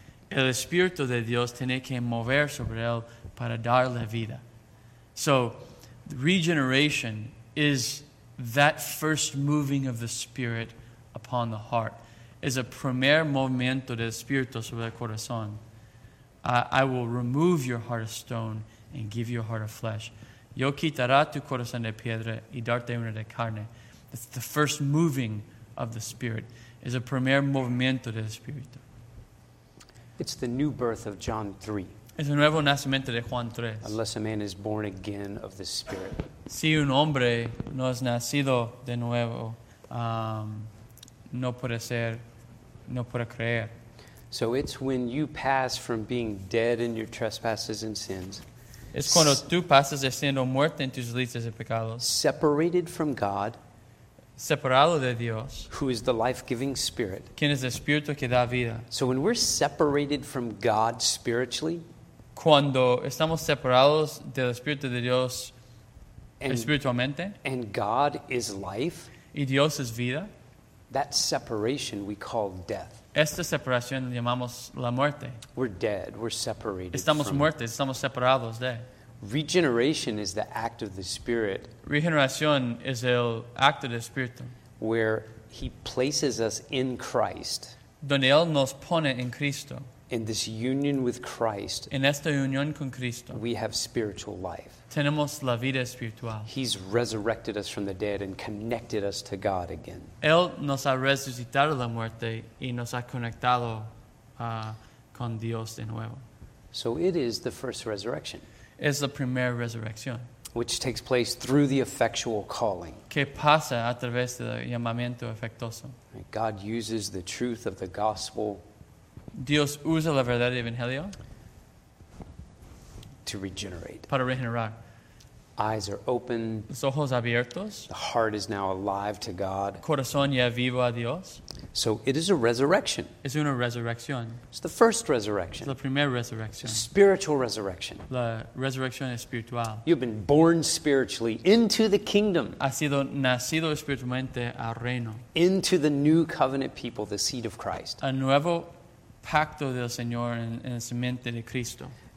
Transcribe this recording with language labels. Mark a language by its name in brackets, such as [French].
[Spanish] El Espíritu de Dios tiene que mover sobre él para darle vida. [English] So regeneration is that first moving of the Spirit upon the heart. [Spanish] Es el primer movimiento del Espíritu sobre el corazón. [English] I will remove your heart of stone and give you a heart of flesh. [Spanish] Yo quitará tu corazón de piedra y darte una de carne. [English] That's the first moving of the Spirit. [Spanish] Es el primer movimiento del Espíritu. [English] It's the new birth of John 3. [Spanish] Es el nuevo nacimiento de Juan 3. [English] Unless a man is born again of the Spirit. [Spanish] Si un hombre no es nacido de nuevo, no puede creer. [English] So it's when you pass from being dead in your trespasses and sins. [Spanish] Es cuando tú pasas de siendo muerto en tus delitos y pecados. [English] Separated from God. [Spanish] separado de Dios, [English] who is the life-giving Spirit. [Spanish] Quien es el Espíritu que da vida. [English] So when we're separated from God spiritually, [Spanish] cuando estamos separados del Espíritu de Dios espiritualmente, [English] and God is life, [Spanish] y Dios es vida, [English] that separation we call death. [Spanish] Esta separación llamamos la muerte. [English] We're dead. We're separated. [Spanish] Estamos muertos. Estamos separados de. [English] Regeneration is the act of the Spirit. [Spanish] Regeneración es el acto del Espíritu. [English] Where He places us in Christ. [Spanish] Donde Él nos pone en Cristo. [English] In this union with Christ. [Spanish] En esta unión con Cristo. [English] We have spiritual life. [Spanish] Tenemos la vida espiritual. [English] He's resurrected us from the dead and connected us to God again. [Spanish] Él nos ha resucitado la muerte y nos ha conectado con Dios de nuevo. [English] So it is the first resurrection. [Spanish] Es la primera resurrección. [English] Which takes place through the effectual calling. [Spanish] Que pasa a través del llamamiento efectuoso. [English] God uses the truth of the gospel. [Spanish] Dios usa la verdad del evangelio. [English] To regenerate. [Spanish] Para regenerar. [English] Eyes are open. [Spanish] Los ojos abiertos. [English] The heart is now alive to God. [Spanish] Corazón ya vivo a Dios. [English] So it is a resurrection. [Spanish] Es una resurrección. [English] It's the first resurrection. [Spanish] Es la primera resurrección. [English] A spiritual resurrection. [Spanish] La resurrección espiritual. [English] You've been born spiritually into the kingdom. [Spanish] Ha sido nacido espiritualmente al reino. [English] Into the new covenant people, the seed of Christ. [Spanish] A nuevo pacto del Señor en el simiente de Cristo.